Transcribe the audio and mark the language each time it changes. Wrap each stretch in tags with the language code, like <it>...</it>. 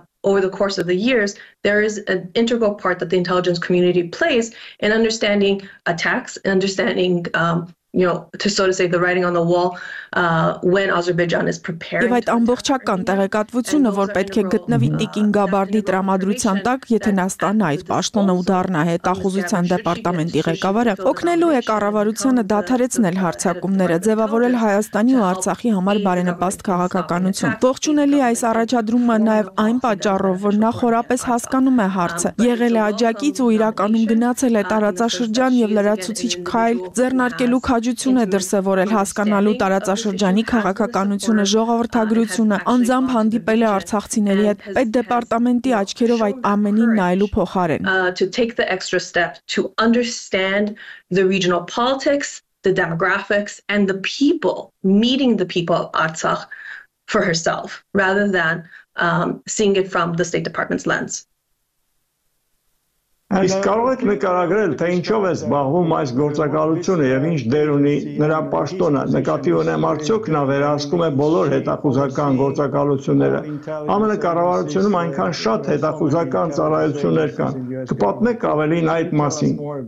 <en>Over the course of the years, there is an integral part that the intelligence community plays in understanding attacks, understanding, the writing on the wall when Azerbaijan is preparing.</en> <hy>Եվ այդ ամբողջական տեղեկատվությունը, որ պետք է գտնվի Տիկին Գաբարդի տրամադրության տակ, եթե նա ստանա այդ պաշտոնը ու դառնա հետախուզության դեպարտամենտի ղեկավարը, օգնելու է կառավարությանը դադարեցնել հարցակումները, ձևավորել Հայաստանի ու Արցախի համար բարենպաստ քաղաքականություն։ Ողջունելի այս առաջադրումը նաև այն պատճառով, որ նա խորապես հասկանում է հարցը, եղել է աջակից ու իրականում գնացել է տարածաշրջան եւ լրացուցիչ քայլ ձեռնարկել քաջություն է դրսևորել հասկանալու տարածաշրջանի քաղաքականությունը, ժողովրդագրությունը, անձամբ հանդիպել է արցախցիների հետ, այդ դեպարտամենտի աչքերով այդ ամենին նայելու փոխարեն։</hy> <en>To take the extra step to understand the regional politics, the demographics and the people, meeting the people of Artsakh for herself rather than seeing it from the State Department's lens.</en> <hy>Իսկ կարող եք նկարագրել, թե ինչով է զբաղվում այս գործակալությունը եւ ինչ դեր ունի նրա պաշտոնը, նկատի ունեմ արդյոք նա վերահսկում է բոլոր հետախուզական գործակալությունները։ ԱՄՆ կառավարությունում այնքան շատ հետախուզական ծառայություններ կան, կպատմեք ավելին այդ մասին։</hy>